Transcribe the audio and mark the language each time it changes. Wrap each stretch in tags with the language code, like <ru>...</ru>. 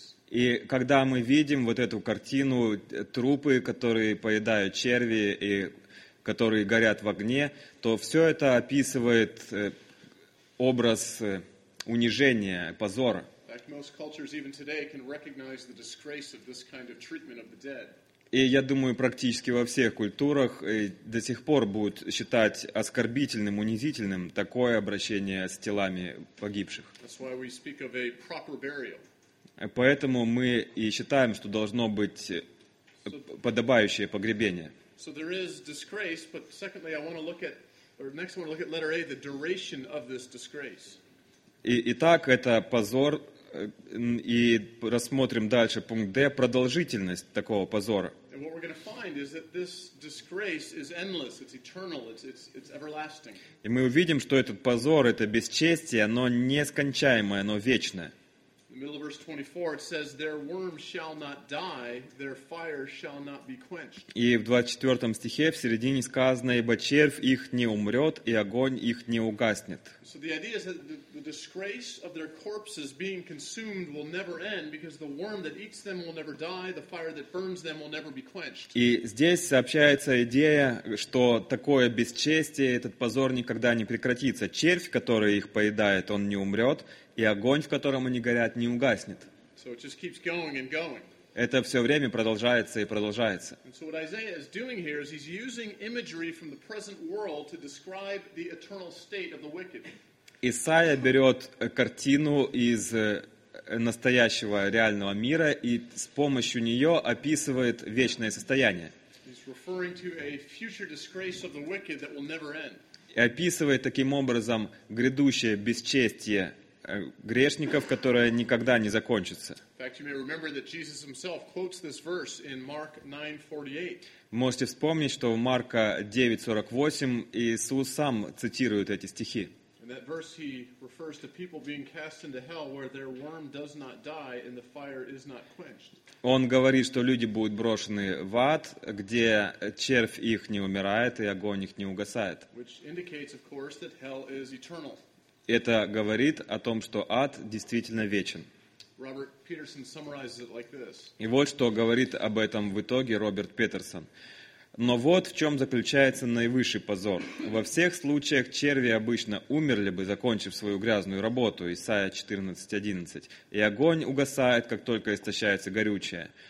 <ru>И когда мы видим вот эту картину, трупы, которые поедают черви и которые горят в огне, то все это описывает образ унижения, позора.</ru> <en>In fact, most cultures even today can recognize the disgrace of this kind of treatment of the dead.</en> <ru>И я думаю, практически во всех культурах до сих пор будут считать оскорбительным, унизительным такое обращение с телами погибших.</ru> <en>That's why we speak of a proper burial.</en> <ru>Поэтому мы и считаем, что должно быть подобающее погребение.</ru> <en>So there is disgrace, but secondly, next I want to look at letter A, the duration of this disgrace.</en> <ru>Итак, это позор, и рассмотрим дальше пункт D, продолжительность такого позора.</ru> <en>And what we're going to find is that this disgrace is endless, it's eternal, it's everlasting.</en> <ru>И мы увидим, что этот позор, это бесчестие, оно нескончаемое, оно вечное.</ru> <en>In the middle of verse 24, it says, "Their worm shall not die; their fire shall not be quenched."</en> <ru>И в 24 стихе в середине сказано, ибо червь их не умрет, и огонь их не угаснет.</ru> <en>So the idea is that the disgrace of their corpses being consumed will never end, because the worm that eats them will never die; the fire that burns them will never be quenched.</en> <ru>И здесь сообщается идея, что такое бесчестие, этот позор никогда не прекратится. Червь, который их поедает, он не умрет. И огонь, в котором они горят, не угаснет.</ru> <en>So it just keeps going and going.</en> <ru>Это все время продолжается и продолжается.</ru> <en>And so what Isaiah is doing here is he's using imagery from the present world to describe the eternal state of the wicked.</en> <ru>Исаия берет картину из настоящего реального мира и с помощью нее описывает вечное состояние.</ru> <en>He's referring to a future disgrace of the wicked that will never end.</en> <ru>И описывает таким образом грядущее бесчестие грешников, которое никогда не закончится.</ru> <en>In fact, you may remember that Jesus himself quotes this verse in Mark 9:48.</en> <ru>Можете вспомнить, что в Марка 9:48 Иисус сам цитирует эти стихи.</ru> <en>In that verse he refers to people being cast into hell where their worm does not die and the fire is not quenched.</en> <ru>Он говорит, что люди будут брошены в ад, где червь их не умирает и огонь их не угасает.</ru> <en>Which indicates, of course, that hell is eternal.</en> <ru>Это говорит о том, что ад действительно вечен.</ru> <en>Robert Peterson summarizes it like this.</en> <ru>И вот что говорит об этом в итоге Роберт Петерсон. Но вот в чем заключается наивысший позор. Во всех случаях черви обычно умерли бы, закончив свою грязную работу, Исаия 14:11, и огонь угасает, как только истощается горючее.</ru>